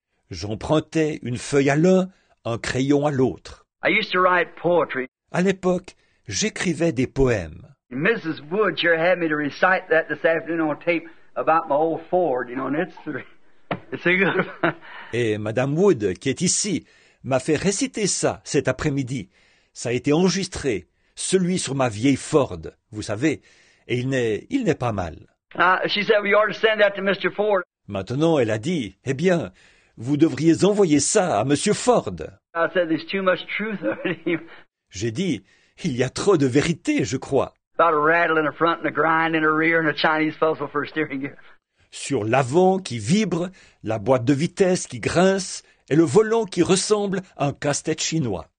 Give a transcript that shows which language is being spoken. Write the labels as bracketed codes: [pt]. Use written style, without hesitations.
[fr] J'empruntais une feuille à l'un, un crayon à l'autre. [en] I used to write poetry. [fr] À l'époque, j'écrivais des poèmes. [en] Mrs. Wood sure had me to recite that this afternoon on tape about my old Ford, you know, and it's a good one. [fr] Et Madame Wood, qui est ici, m'a fait réciter ça cet après-midi. Ça a été enregistré, celui sur ma vieille Ford, vous savez. Et il n'est pas mal. [en] She said, we ought to send that to Mr. Ford. [fr] Maintenant, elle a dit, eh bien, vous devriez envoyer ça à Monsieur Ford. [en] I said, there's too much truth on him. [fr] J'ai dit, il y a trop de vérité, je crois. [en] About a rattle in the front and a grind in the rear and a Chinese puzzle for a steering gear. [fr] Sur l'avant qui vibre, la boîte de vitesse qui grince et le volant qui ressemble à un casse-tête chinois.